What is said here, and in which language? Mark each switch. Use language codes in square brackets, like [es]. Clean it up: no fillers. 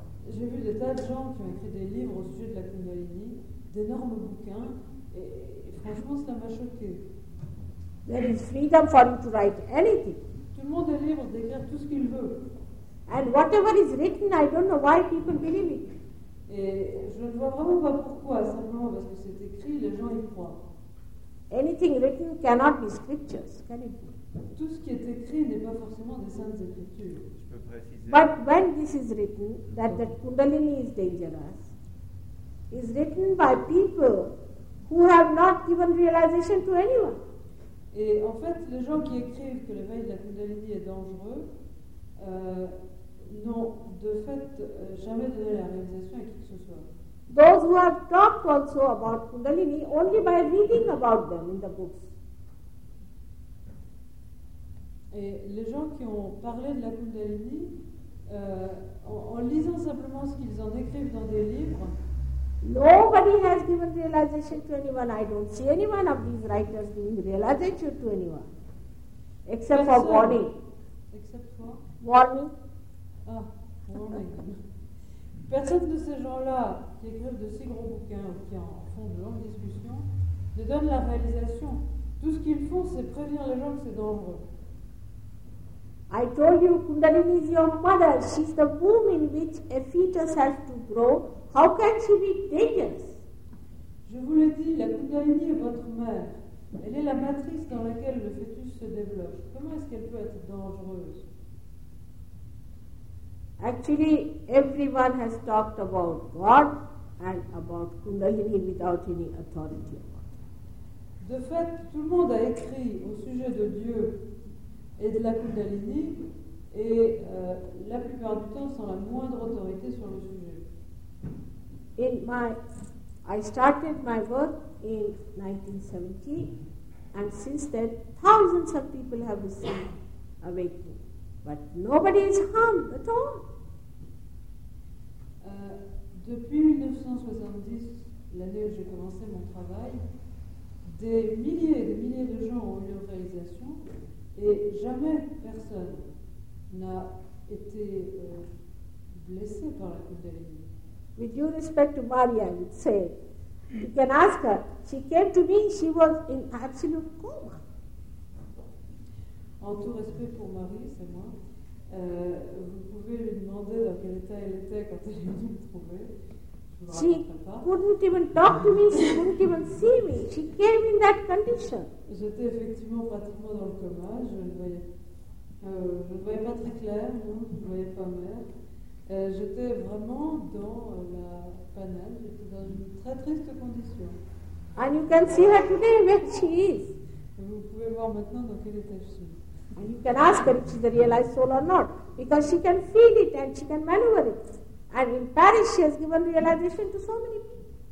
[fr] J'ai vu des tas de gens qui ont écrit des livres au sujet de la Kundalini, d'énormes bouquins, et franchement, ça m'a choqué. [en] There is freedom for you to write anything. [fr] Tout le monde est libre d'écrire tout ce qu'il veut. [en] And whatever is written, I don't know why people believe it. [fr] Et je ne vois vraiment pas pourquoi, simplement parce que c'est écrit, les gens y croient. [en] Anything written cannot be scriptures, can it be? [fr] Tout ce qui est écrit n'est pas forcément des saintes écritures. Je peux préciser. [en] But when this is written, that Kundalini is dangerous, is written by people who have not given realization to anyone. [fr] Et en fait, les gens qui écrivent que l'éveil de la Kundalini est dangereux n'ont de fait jamais donné la réalisation à qui que ce soit. [en] Those who have talked also about Kundalini only by reading about them in the books. [fr] Et les gens qui ont parlé de la Kundalini en lisant simplement ce qu'ils en écrivent dans des livres. [en] Nobody has given realization to anyone. I don't see anyone of these writers giving realization to anyone. Except [fr] Personne. [en] For warning. Except for? Warning. Ah, warning. [fr] Personne de ces gens-là qui écrivent de si gros bouquins qui en font de longues discussions ne donne la réalisation. Tout ce qu'ils font, c'est prévenir les gens que c'est dangereux. [en] I told you Kundalini is your mother. She's the womb in which a fetus has to grow. How can she be dangerous? [fr] Je vous l'ai dit, la Kundalini est votre mère. Elle est la matrice dans laquelle le fœtus se développe. Comment est-ce qu'elle peut être dangereuse? [en] Actually, everyone has talked about God and about Kundalini without any authority. [fr] De fait, tout le monde a écrit au sujet de Dieu et de la Kundalini et la plupart du temps sans la moindre autorité sur le sujet. [en] I started my work in 1970, and since then, thousands of people have received awakening, but nobody is harmed at all. [fr] Depuis 1970, l'année où j'ai commencé mon travail, des milliers de gens ont eu leur réalisation, et jamais personne n'a été blessé par la Kundalini. [en] With due respect to Maria, I would say, you can ask her. She came to me, she was in absolute coma. [fr] En tout respect pour Marie, c'est moi, vous pouvez lui demander dans quel état elle était quand elle est venue me trouver. [en] She couldn't even talk to me, she couldn't even see me. She came in that condition. [fr] J'étais effectivement pratiquement dans le coma, je ne voyais pas très clair, non, je ne voyais pas mère. J'étais vraiment dans la panade, j'étais dans une très triste condition. [en] And you can see her today where she is. [fr] Et vous pouvez voir maintenant dans quel état je suis. [en] And you can ask her if she's a realized soul or not, because she can feel it and she can maneuver it. And in Paris, she has given realization to so many people.